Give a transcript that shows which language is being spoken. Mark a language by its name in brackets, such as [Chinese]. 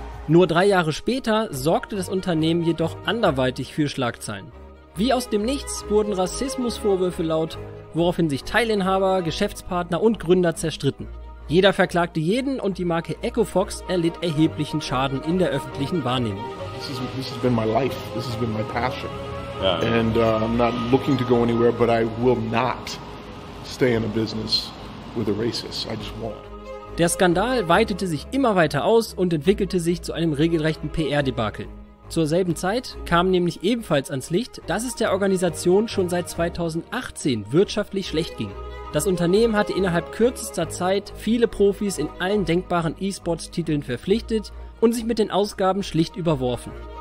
[German] Nur 3 Jahre später sorgte das Unternehmen jedoch anderweitig für Schlagzeilen. Wie aus dem Nichts wurden Rassismusvorwürfe laut, woraufhin sich Teilinhaber, Geschäftspartner und Gründer zerstritten. Jeder verklagte jeden und die Marke Echo Fox erlitt erheblichen Schaden in der öffentlichen Wahrnehmung. [English] This has been my life. This has been my passion. Yeah. And I'm not looking to go anywhere, but I will not stay in a business with a racist. I just won't. [German] Der Skandal weitete sich immer weiter aus und entwickelte sich zu einem regelrechten PR-Debakel. Zur selben Zeit kam nämlich ebenfalls ans Licht, dass es der Organisation schon seit 2018 wirtschaftlich schlecht ging. Das Unternehmen hatte innerhalb kürzester Zeit viele Profis in allen denkbaren E-Sports-Titeln verpflichtet und sich mit den Ausgaben schlicht überworfen.